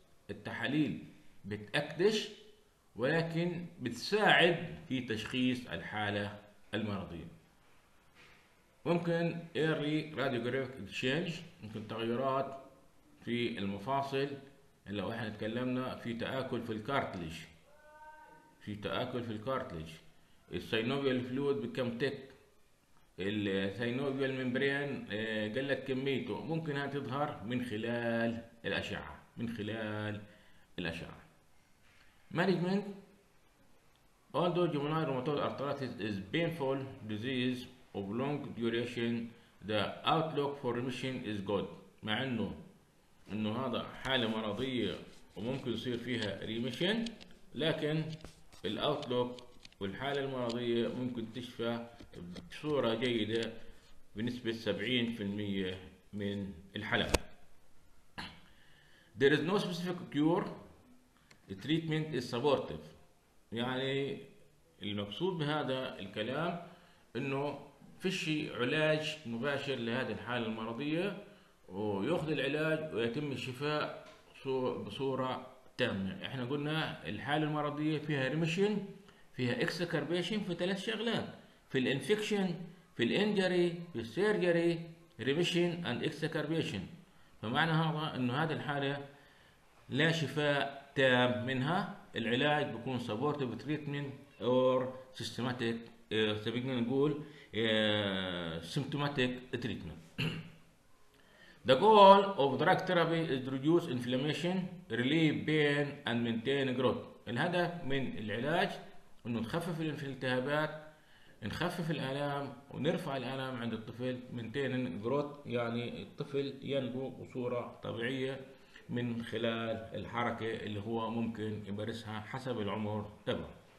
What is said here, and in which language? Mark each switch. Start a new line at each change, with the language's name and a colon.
Arabic: التحاليل بتأكدش ولكن بتساعد في تشخيص الحالة المرضية. ممكن
English: early radiographic change،
Arabic: ممكن تغيرات في المفاصل. لو احنا تكلمنا في تآكل في الكارتليج، في تآكل في الكارتليج، السينوفيال فلويد بكم تك، السينوفيال ميمبرين قلت كميته، ممكن هذه تظهر من خلال الأشعة، من خلال الأشعة.
English: Management although juvenile rheumatoid arthritis is painful disease of long duration the outlook for remission is good.
Arabic: مع انه هذا حالة مرضية وممكن يصير فيها remission، لكن الاوتلوك والحالة المرضية ممكن تشفى بصورة جيدة بنسبة 70% من الحالات.
English: there is no specific cure, the treatment is supportive.
Arabic: يعني المقصود بهذا الكلام انه فيش علاج مباشر لهذه الحالة المرضية ويأخذ العلاج ويتم الشفاء بصورة تامة. احنا قلنا الحالة المرضية فيها ريميشن، فيها اكستركربيشن في ثلاث شغلات، في الانفكشن، في الانجري، في السيرجري،
English: Remission and exacerbation.
Arabic: فمعنى هذا انه هذه الحالة لا شفاء تام منها، العلاج بيكون
English: supportive treatment or systematic,
Arabic: بدنا نقول
English: Symptomatic treatment. The goal of drug therapy is to reduce inflammation, relieve pain and maintain growth.
Arabic: الهدف من العلاج انه نخفف الالتهابات، نخفف الالام ونرفع الالام عند الطفل،
English: maintain growth
Arabic: يعني الطفل ينمو بصوره طبيعيه من خلال الحركه اللي هو ممكن يمارسها حسب العمر تبعه.